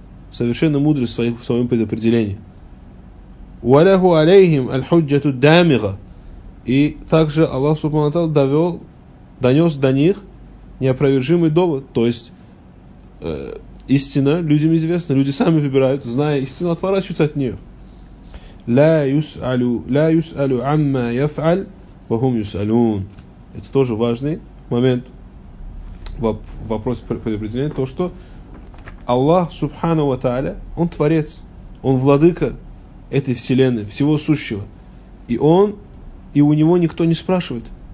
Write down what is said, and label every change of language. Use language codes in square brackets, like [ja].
[ru] Совершенную мудрость в своем предопределении. [ar] Валяху алейхим аль-худжату дамига. [ru] И также Аллах Субхану ва Тааля донес до них неопровержимый довод. То есть истина людям известна. Люди сами выбирают, зная истину, отворачиваются от нее. [ar] لا يسألوا عما يفعل وهم يسألون. [ru] Это тоже важный момент в вопросе предопределения, то, что Аллах Субхану ва Тааля, он творец, он владыка этой вселенной, всего сущего, и у него никто не спрашивает.